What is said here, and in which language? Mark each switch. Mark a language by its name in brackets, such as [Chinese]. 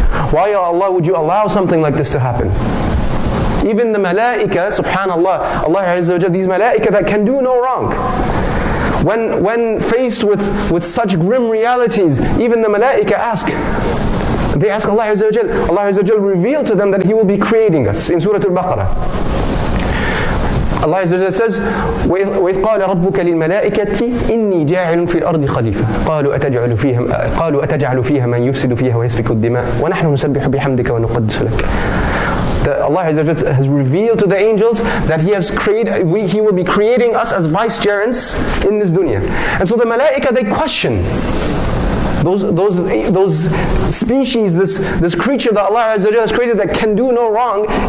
[English] Why, Ya Allah, would you allow something like this to happen? Even the malaika, subhanallah, Allah Azza wa Jalla, these malaika that can do no wrong. When faced with such grim realities, even the malaika ask, they ask Allah Azza wa Jalla, Allah Azza wa Jalla reveal to them that He will be creating us in Surah Al-Baqarah. [Arabic] Allah Azza wa Jalla says, وَإِذْ قَالَ رَبُّكَ لِلْمَلَائِكَةِ إِنِّي جَاعِلٌ فِي الْأَرْضِ خَلِيفَةً قَالُوا أَتَجْعَلُ فِيهَا مَنْ يُفْسِدُ فِيهَا وَيَسْفِكُ الدِّمَاءَ وَنَحْنُ نُسَبِّحُ بِحَمْدِكَ وَنُقَدِّسُ لَكَ. [English] That Allah Azza wa Jalla has revealed to the angels that He will be creating us as vicegerents in this dunya. And so the malaika, they question those species, this creature that Allah Azza wa Jalla has created that can do no wrong.